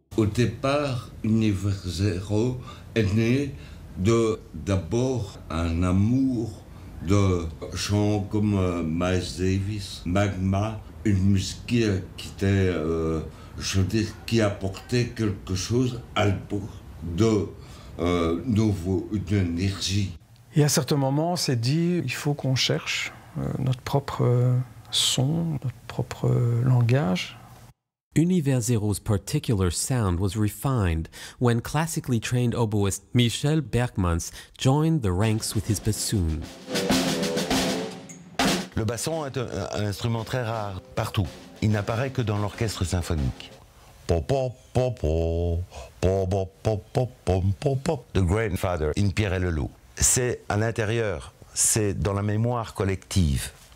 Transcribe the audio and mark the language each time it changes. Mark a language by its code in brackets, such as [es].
[fr] Au départ, Univers Zero est né d'abord un amour de chants comme Miles Davis, Magma, une musique qui était, je veux dire, qui apportait quelque chose à l'époque de nouveau, d'énergie. Et à un certain moment, on s'est dit, il faut qu'on cherche notre propre son, notre propre langage. [en] Univers Zero's particular sound was refined when classically trained oboist Michel Bergmans joined the ranks with his bassoon. [fr] Le basson est un instrument très rare, partout. Il n'apparaît que dans l'orchestre symphonique. [en] The Grandfather in Pierre et le Loup. [fr] C'est à l'intérieur, c'est dans la mémoire collective.